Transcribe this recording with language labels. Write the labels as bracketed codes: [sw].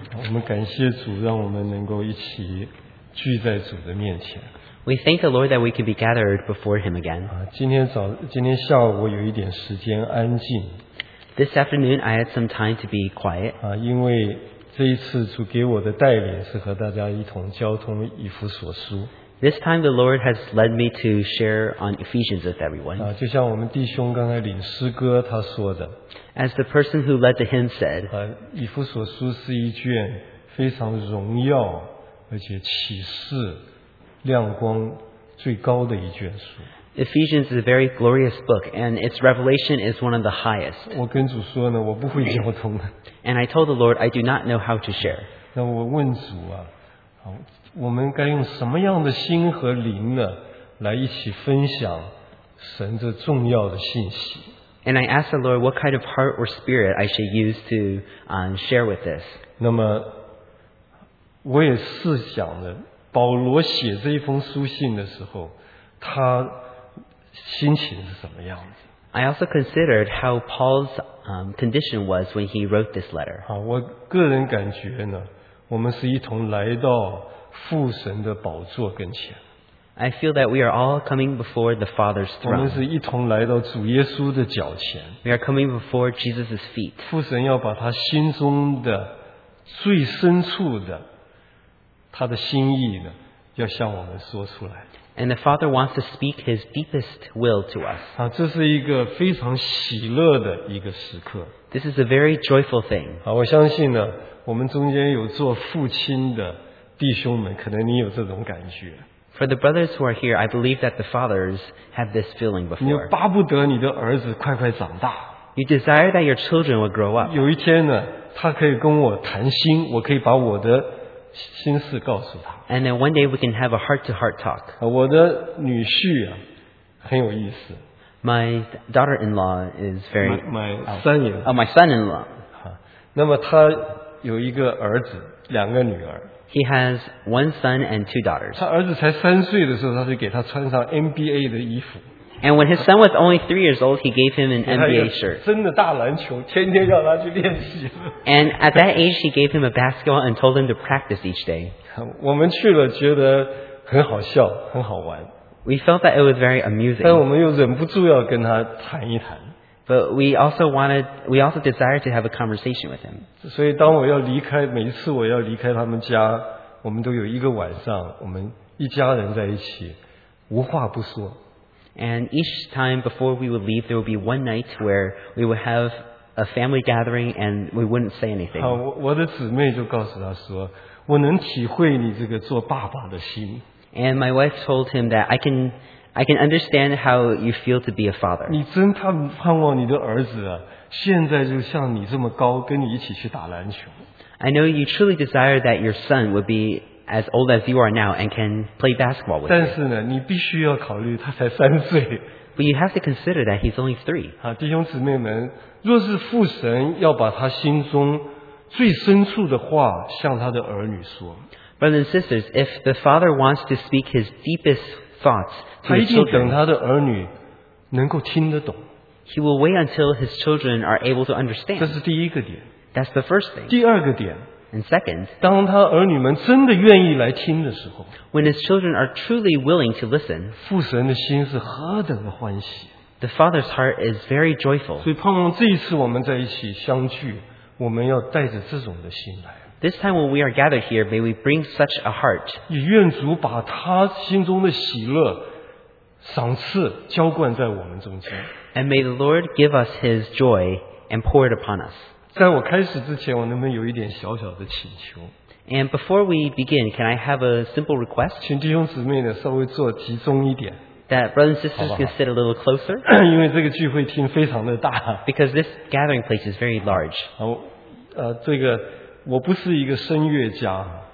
[zh] 我们感谢主，让我们能够一起聚在主的面前。 [en] We thank the Lord that we could be gathered before Him again. [zh] 今天下午我有一点时间安静。 [en] This afternoon, I had some time to be quiet. [zh] 因为这一次主给我的带领是和大家一同交通以弗所书。 [en] This time the Lord has led me to share on Ephesians with everyone. [zh] 就像我们弟兄刚才领诗歌他说的。 [en] As the person who led the hymn said, [zh] 以弗所书是一卷非常荣耀而且启示亮光最高的一卷书。 [en] Ephesians is a very glorious book, and its revelation is one of the highest. [zh] 我跟主说呢，我不会交通的。 [en] And I told the Lord, I do not know how to share. [zh] 那我问主啊，我们该用什么样的心和灵呢，来一起分享神这重要的信息。 [en] And I asked the Lord what kind of heart or spirit I should use to share with this. [zh] 那么我也试想着，保罗写这一封书信的时候，他心情是什么样子。 [en] I also considered how Paul's condition was when he wrote this letter. [zh] 我个人感觉呢，我们是一同来到父神的宝座跟前。 [en] I feel that we are all coming before the Father's throne. [zh] 我们是一同来到主耶稣的脚前。 [en] We are coming before Jesus' feet. [zh] 父神要把他心中的最深处的他的心意呢，要向我们说出来。 [en] And the Father wants to speak His deepest will to us. [zh] 这是一个非常喜乐的一个时刻。 [en] This is a very joyful thing. [zh] 我相信呢，我们中间有做父亲的弟兄们，可能你有这种感觉。 [en] For the brothers who are here, I believe that the fathers have this feeling before. [zh] 你巴不得你的儿子快快长大。 [en] You desire that your children would grow up. [zh] 有一天呢，他可以跟我谈心，我可以把我的心事告诉他。 [en] And then one day we can have a heart-to-heart talk. [zh] 我的女婿啊，很有意思。 [en] My daughter-in-law is very. My son-in-law. [zh] 那么他有一个儿子，两个女儿。 [en] He has one son and two daughters. [zh] 他儿子才三岁的时候，他就给他穿上 NBA 的衣服。 [en] And when his son was only 3 years old, he gave him an NBA shirt. [zh] 真的大篮球，天天要他去练习。 [en] And at that age, he gave him a basketball and told him to practice each day. [zh] 我们去了，觉得很好笑，很好玩。 [en] We felt that it was very amusing. [zh] 但我们又忍不住要跟他谈一谈。 [en] But we also desire to have a conversation with him. [zh] 所以当我要离开，每一次我要离开他们家，我们都有一个晚上，我们一家人在一起，无话不说。 [en] And each time before we would leave, there would be one night where we would have a family gathering and we wouldn't say anything. [zh] 我的姊妹就告诉他说，我能体会你这个做爸爸的心。 [en] And my wife told him that I can understand how you feel to be a father. [zh] 你真盼望你的儿子啊，现在就像你这么高，跟你一起去打篮球。 [en] I know you truly desire that your son would be as old as you are now and can play basketball with you. [zh] 但是呢，你必须要考虑他才三岁。 [en] But you have to consider that he's only three. [zh] 弟兄姊妹们，若是父神要把他心中最深处的话向他的儿女说。 [en] Brothers and sisters, if the father wants to speak his deepest thoughts, [zh] 他一定等他的儿女能够听得懂。 [en] He will wait until his children are able to understand. [zh] 这是第一个点。 [en] That's the first thing. [zh] 第二个点。 [en] And second, [zh] 当他儿女们真的愿意来听的时候。 [en] When his children are truly willing to listen, [zh] 父神的心是何等的欢喜。 [en] The father's heart is very joyful. [zh] 所以盼望这一次我们在一起相聚，我们要带着这种的心来。 [en] This time when we are gathered here, may we bring such a heart. [zh] 也愿主把他心中的喜乐赏赐浇灌在我们中间。 [en] And may the Lord give us His joy and pour it upon us. [zh] 在我开始之前，我能不能有一点小小的请求？ [en] And before we begin, can I have a simple request? [zh] 请弟兄姊妹呢稍微坐集中一点。 [en] That brothers and sisters can sit a little closer. [zh] 因为这个聚会厅非常的大。 [en] Because this gathering place is very large. [zh] 这个我不是一个声乐家。